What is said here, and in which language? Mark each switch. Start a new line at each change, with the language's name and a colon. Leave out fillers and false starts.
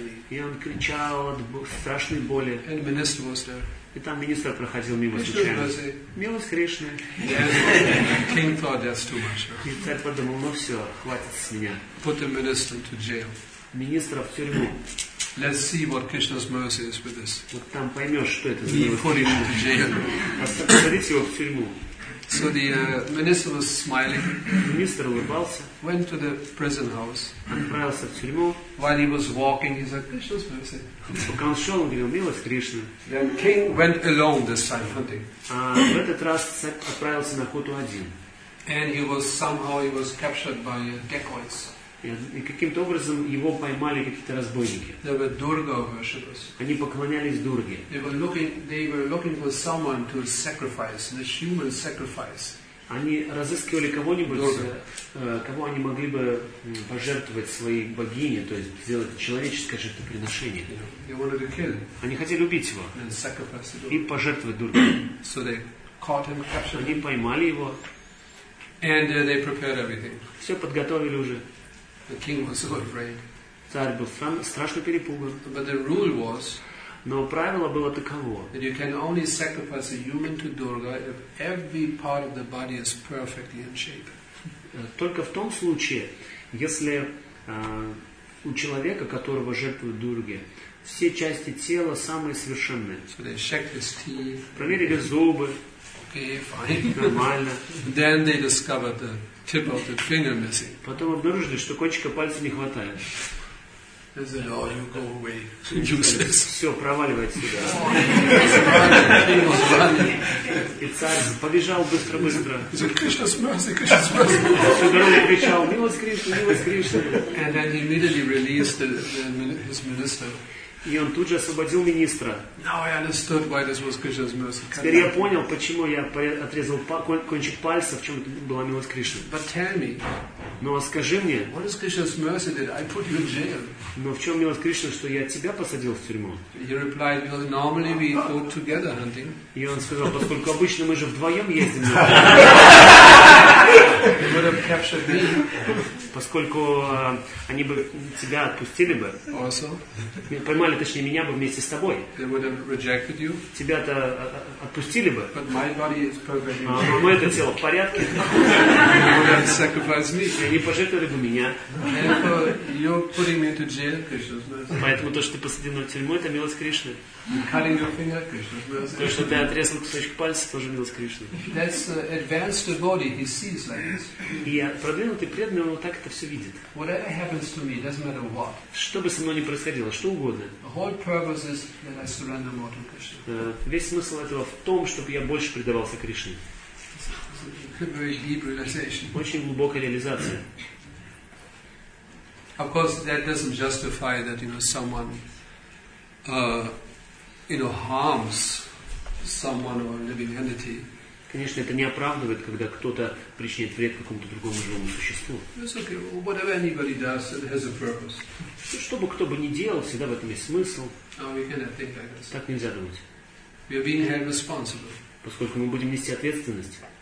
Russian: И он кричал от страшной боли.
English: And the minister was there.
Russian: И там министр проходил мимо случайно. Милость Кришны.
English: King thought that's too much.
Russian: И царь подумал, ну все, хватит с меня.
English: Put the minister to jail.
Russian: Министра в тюрьму.
English: Let's see what Krishna's mercy is with this.
Russian: Вот там поймешь, что это за милость Кришны. Посадите его в тюрьму.
English: So the minister was smiling.
Russian: Министр улыбался.
English: Went to the prison house.
Russian: Отправился в тюрьму.
English: While he was walking, he said, "Krishna's mercy."
Russian: Пока он шел, он говорил, "Милость Кришны."
English: Then king went alone this time hunting.
Russian: А в этот раз царь отправился на охоту один.
English: And he was somehow he was captured by decoys.
Russian: И каким-то образом его поймали какие-то разбойники.
English: They were Durga worshippers.
Russian: Они поклонялись Дурге.
English: They were looking for someone to sacrifice, a human sacrifice.
Russian: Они разыскивали кого-нибудь, кого они могли бы пожертвовать своей богине, то есть сделать человеческое жертвоприношение.
English: They wanted to kill.
Russian: Они хотели убить его
English: and sacrifice
Russian: и пожертвовать Дурге.
English: So they caught him, captured him.
Russian: Они поймали его.
English: And they prepared everything.
Russian: Все подготовили уже.
English: The king was so afraid.
Russian: Царь был страшно перепуган.
English: But the rule was,
Russian: но правило было таково,
English: that you can only sacrifice a human to Durga if every part of the body is perfectly in shape.
Russian: Только в том случае, если у человека, которого жертвуют Дурге, все части тела самые совершенные.
English: So they checked his teeth.
Russian: Проверили зубы.
English: Okay, fine.
Russian: Нормально.
English: Then they discovered the tip of the finger missing.
Russian: Потом обнаружили, что кончика пальца не хватает.
English: They said, "Oh, you go away, useless."
Russian: Все, проваливай отсюда. И царь побежал быстро-быстро.
English: Кришна смерзли, Кришна смерзли.
Russian: Всю дорогу кричал, милость Кришна, милость Кришна.
English: And then he immediately released his minister.
Russian: И он тут же освободил министра.
English: Now I understood why this was Krishna's mercy.
Russian: Теперь я понял, почему я отрезал кончик пальца, в чем это была милость Кришны.
English: But tell me.
Russian: Ну а скажи мне.
English: What is Krishna's mercy that I put you in jail?
Russian: Но в чем милость Кришны, что я тебя посадил в тюрьму?
English: He replied, "Well, normally we go together hunting."
Russian: И он сказал, поскольку обычно мы же вдвоем ездим.
English: He would have captured me.
Russian: Поскольку они бы тебя отпустили бы,
English: also,
Russian: поймали, точнее, меня бы вместе с тобой,
English: they would have rejected you.
Russian: Тебя-то отпустили бы,
English: but my body is perfectly fine.
Russian: Но мое-то тело в порядке.
English: They would have sacrificed me.
Russian: Они пожертвовали бы меня.
English: And you're putting me into jail, Krishna's mercy.
Russian: Поэтому то, что ты посадил в тюрьму, это милость Кришны.
English: Cutting your finger, Krishna's mercy.
Russian: То, что ты отрезал кусочек пальца, тоже милость Кришны.
English: That's advanced devotee, he sees like this.
Russian: И продвинутый преданный, он так это все видит.
English: Whatever happens to me, doesn't matter what.
Russian: Что бы со мной ни происходило, что угодно.
English: The whole purpose is that I surrender more to Krishna.
Russian: Весь смысл этого в том, чтобы я больше предавался Кришне.
English: Very deep realization.
Russian: Очень глубокая реализация.
English: Of course, that doesn't justify that, you know, someone, you know, harms someone or a living entity.
Russian: Конечно, это не оправдывает, когда кто-то причиняет вред какому-то другому живому существу.
English: It's okay. Whatever anybody does, it has a purpose.
Russian: Ну, что бы кто бы ни делал, всегда в этом есть смысл.
English: No, we cannot think like this.
Russian: Так нельзя думать.
English: We are being held responsible.
Russian: Поскольку мы будем нести ответственность.